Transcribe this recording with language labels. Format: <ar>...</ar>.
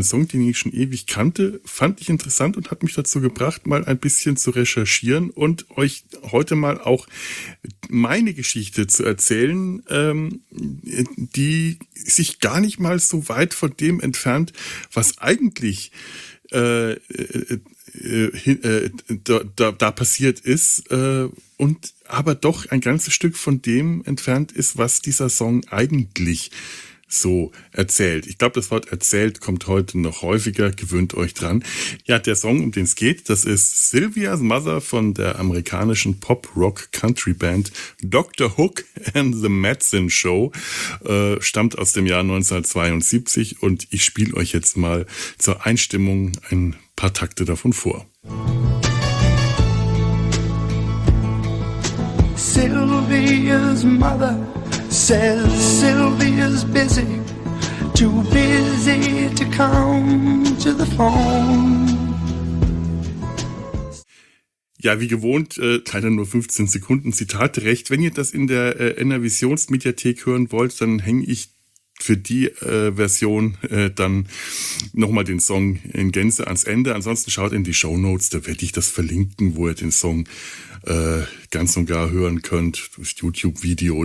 <de>Ein Song, den ich schon ewig kannte, fand ich interessant und hat mich dazu gebracht, mal ein bisschen zu recherchieren und euch heute mal auch meine Geschichte zu erzählen, die sich gar nicht mal so weit von dem entfernt, was eigentlich da passiert ist, und aber doch ein ganzes Stück von dem entfernt ist, was dieser Song eigentlich so erzählt. Ich glaube, das Wort erzählt kommt heute noch häufiger, gewöhnt euch dran. Ja, der Song, um den es geht, das ist Sylvia's Mother von der amerikanischen Pop-Rock-Country-Band Dr. Hook and the Medicine Show. Stammt aus dem Jahr 1972 und ich spiele euch jetzt mal zur Einstimmung ein paar Takte davon vor.</de> <en>Sylvia's mother says Sylvia's busy, too busy to come to the phone.</en> <de>Ja, wie gewohnt, leider nur 15 Sekunden Zitatrecht. Wenn ihr das in der Enervisionsmediathek hören wollt, dann hänge ich für die Version dann nochmal den Song in Gänze ans Ende. Ansonsten schaut in die Shownotes, da werde ich das verlinken, wo ihr den Song ganz und gar hören könnt, durch YouTube-Video.</de>